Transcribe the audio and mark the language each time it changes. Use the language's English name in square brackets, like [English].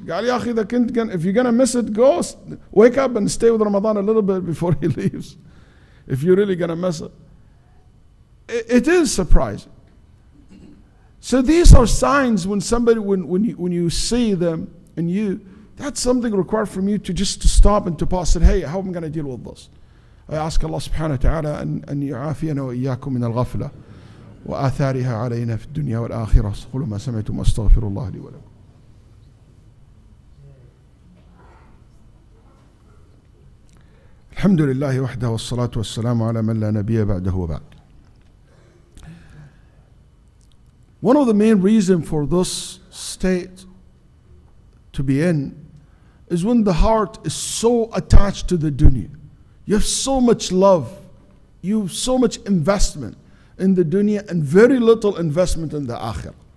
[Arabic] Gal ya akhi, [English] the kind, if you're gonna miss it, go wake up and stay with Ramadan a little bit before he leaves, if you're really gonna miss it. It is surprising. So these are signs when somebody, when you see them in you, that's something required from you to just to stop and to pause and, hey, how am I gonna deal with this? I ask [Arabic] Allah subhanahu wa ta'ala an yu'afiyana wa iyyakum min al-ghafla. وآثارها علينا في الدنيا والآخرة قل ما سمعتم أستغفر الله لي ولكم. الحمد لله وحده والصلاة والسلام على من لا نبي بعده وبعد. [English] One of the main reasons for this state to be in is when the heart is so attached to the dunya. You have so much love, you have so much investment in the dunya and very little investment in the akhirah.